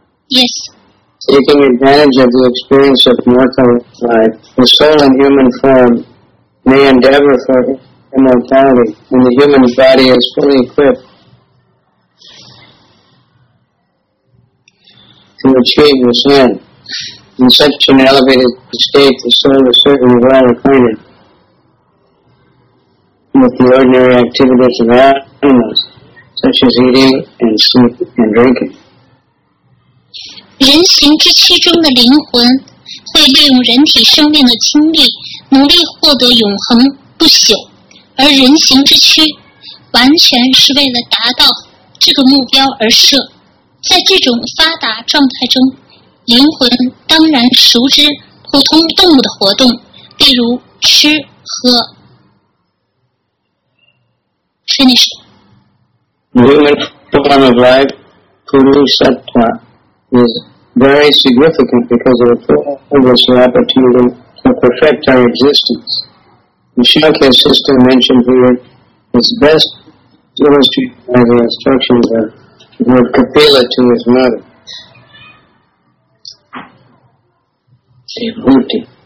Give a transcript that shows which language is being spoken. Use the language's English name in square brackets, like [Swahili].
[English] Taking advantage of the experience of mortal life, the soul in human formMay endeavor for immortality, and the human body is fully equipped to achieve this end. In such an elevated state, the soul is certainly well acquainted with the ordinary activities of animals, such as eating and sleep and drinking. [Chinese] 人形之躯中的灵魂会利用人体生命的经历努力获得永恒不朽，而人形之躯完全是为了达到这个目标而设。在这种发达状态中，灵魂当然熟知普通动物的活动，例如吃喝。 [English] Finish. Human form of life, Purushattva, is very significant because of this opportunity. To perfect our existence. The Shankhya system mentioned here is best illustrated by the instructions of Lord Kapila to his mother.